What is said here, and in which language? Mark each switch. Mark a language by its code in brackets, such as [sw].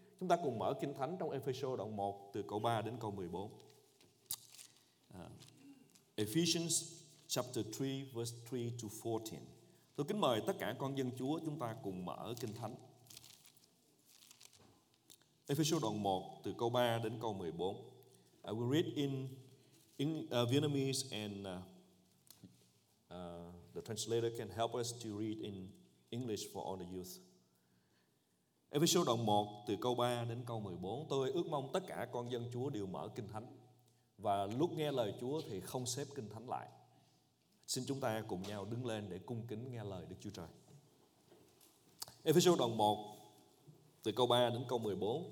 [vi] Chúng ta cùng mở Kinh Thánh trong Ephesians đoạn 1 từ câu 3 đến câu 14. [en] Ephesians chapter 3 verse 3 to 14. [vi] Tôi kính mời tất cả con dân Chúa chúng ta cùng mở Kinh Thánh. Ephesians đoạn 1 từ câu 3 đến câu 14. [en] I will read in Vietnamese and the translator can help us to read in English for all the youth. [vi] Ephesians đoạn 1 từ câu 3 đến câu 14. Tôi ước mong tất cả con dân Chúa đều mở Kinh Thánh và lúc nghe lời Chúa thì không xếp Kinh Thánh lại. Xin chúng ta cùng nhau đứng lên để cung kính nghe lời Đức Chúa Trời. Ephesians đoạn 1 từ câu 3 đến câu 14.